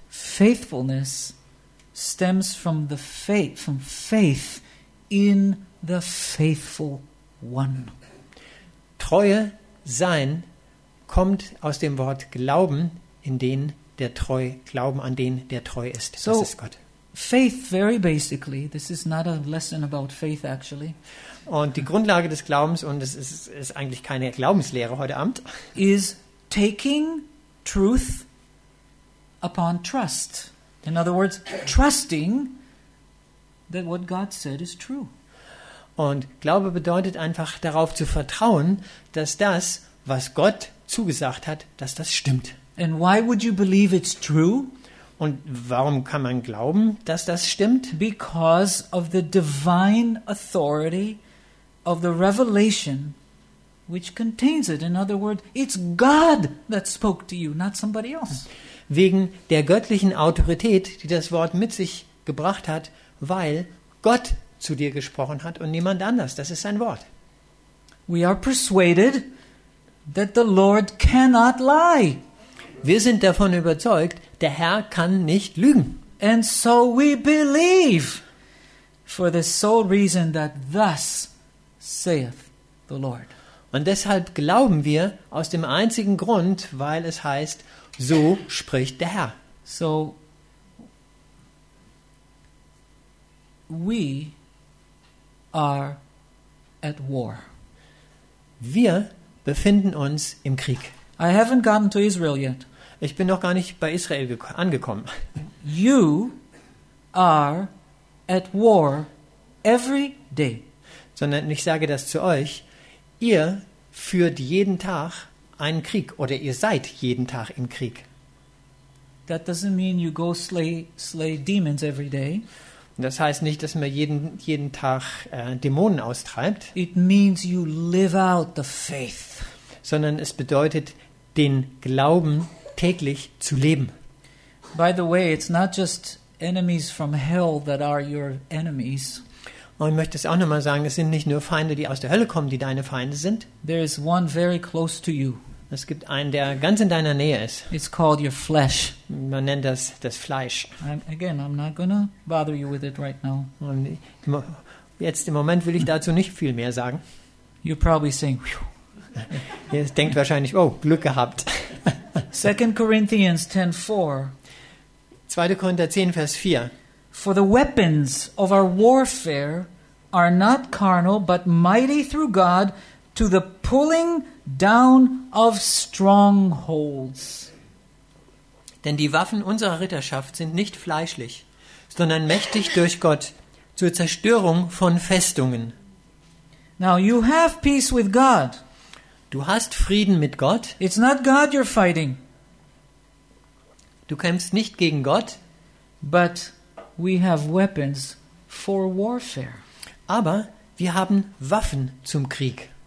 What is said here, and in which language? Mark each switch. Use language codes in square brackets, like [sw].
[en] Faithfulness stems from the faith, from faith in the faithful one. [de] Treue sein kommt aus dem Wort Glauben in den, der treu, Glauben an den, der treu ist. So, das ist Gott. [en] Faith, very basically, this is not a lesson about faith actually. [de] Und die Grundlage des Glaubens, und es ist eigentlich keine Glaubenslehre heute Abend, [en] is taking truth upon trust. In other words, trusting that what God said is true. [de] Und Glaube bedeutet einfach darauf zu vertrauen, dass das, was Gott zugesagt hat, dass das stimmt. [en] And why would you believe it's true? [de] Und warum kann man glauben, dass das stimmt? [en] Because of the divine authority of the revelation which contains it. In other words, it's God that spoke to you, not somebody else. [de] Wegen der göttlichen Autorität, die das Wort mit sich gebracht hat, weil Gott zu dir gesprochen hat und niemand anders. Das ist sein Wort. [en] We are persuaded that the Lord cannot lie. [de] Wir sind davon überzeugt, der Herr kann nicht lügen. [en] And so we believe for the sole reason that thus saith the Lord. [de] Und deshalb glauben wir aus dem einzigen Grund, weil es heißt, so spricht der Herr. [en] So, we are at war. [de] Wir befinden uns im Krieg. [en] I haven't gotten to Israel yet. [de] Ich bin noch gar nicht bei Israel angekommen. [en] You are at war every day. [de] Sondern ich sage das zu euch, ihr führt jeden Tag einen Krieg oder ihr seid jeden Tag im Krieg. [en] That doesn't mean you go slay demons every day. [de] Das heißt nicht, dass man jeden Tag Dämonen austreibt. [en] It means you live out the faith. [de] Sondern es bedeutet, den Glauben täglich zu leben. [en] By the way, it's not just enemies from hell that are your enemies. [de] Und ich möchte es auch nochmal sagen, es sind nicht nur Feinde, die aus der Hölle kommen, die deine Feinde sind. [en] There is one very close to you. [de] Es gibt einen, der ganz in deiner Nähe ist. [en] It's called your flesh. [de] Man nennt das Fleisch. [en] I'm not gonna bother you with it right now. [de] Und jetzt im Moment will ich dazu nicht viel mehr sagen. [en] You're probably saying, [de] ihr denkt wahrscheinlich, oh, Glück gehabt. [en] 2 Corinthians 10:4. [de] 2. Korinther 10, Vers 4. [en] For the weapons of our warfare are not carnal, but mighty through God to the pulling down of strongholds. [de] Denn die Waffen unserer Ritterschaft sind nicht fleischlich, sondern mächtig durch Gott zur Zerstörung von Festungen. [en] Now you have peace with God. [de] Du hast Frieden mit Gott. [en] It's not God you're fighting. [de] Du kämpfst nicht gegen Gott, [en] but we have weapons for warfare. [de] Aber wir haben Waffen zum Krieg.